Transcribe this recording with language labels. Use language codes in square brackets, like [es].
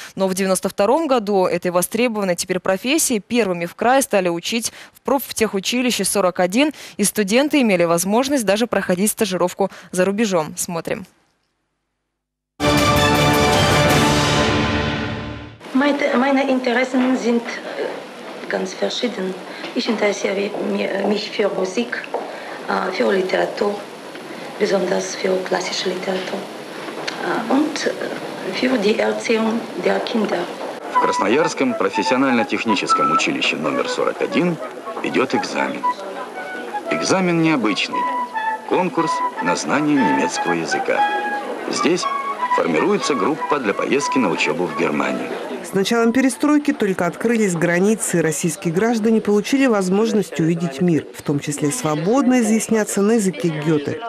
[ru] Но в 92-м году этой востребованной теперь профессии первыми в крае стали учить в профтехучилище 41, и студенты имели возможность даже проходить стажировку за рубежом. Смотрим. Мои интересы [de] ganz verschieden. Ich interessiere mich für Musik, für Literatur, besonders für klassische Literatur und für die Erziehung der Kinder. [ru] В Красноярском профессионально-техническом училище номер 41 идет экзамен. Экзамен необычный. Конкурс на знание немецкого языка. Здесь формируется группа для поездки на учебу в Германию. С началом перестройки только открылись границы, российские граждане получили возможность увидеть мир, в том числе свободно изъясняться на языке Гёте.